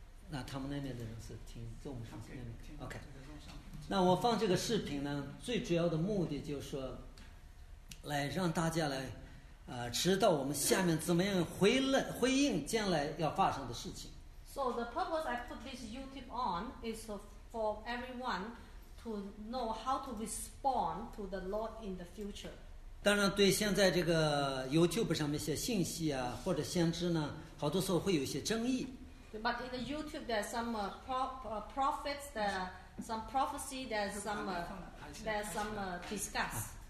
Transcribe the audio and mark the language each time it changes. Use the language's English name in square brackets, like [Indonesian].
[Chinese] 那他们那边的人是听 Zoom 上那边 OK。那我放这个视频呢，最主要的目的就是说，来让大家来。知道我们下面怎么样回应将来要发生的事情。 [English] So the purpose I put this YouTube on is for everyone to know how to respond to the Lord in the future. [Chinese] 当然，对现在这个 YouTube 上面一些信息啊，或者先知呢，好多时候会有一些争议。 [English] But in the YouTube, there's some prophets, there some prophecy, there's some discuss.